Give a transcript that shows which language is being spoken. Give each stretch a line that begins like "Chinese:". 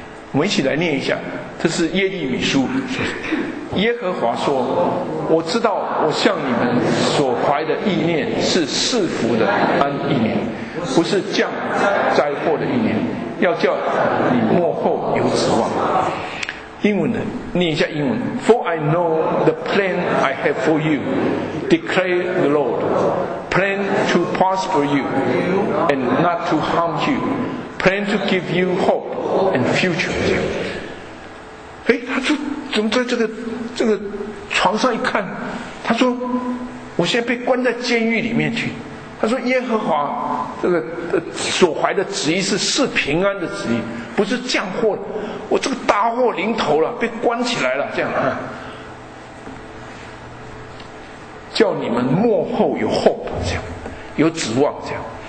Chinese: 我们一起来念一下，这是耶利米书，耶和华说，我知道我向你们所怀的意念是赐福的安意念，不是降灾祸的意念，要叫你末后有指望。英文的，念一下英文，
English: For I know the plan I have for you, declare the Lord, plan to prosper you and not to harm you, plan to give you hope and future.
Chinese: 诶，他就怎么在这个床上一看，他说我现在被关在监狱里面去，他说耶和华这个所怀的旨意是赐平安的旨意，不是降祸，我这个大祸临头了，被关起来了这样啊，叫你们末后有 hope 这样，有指望这样。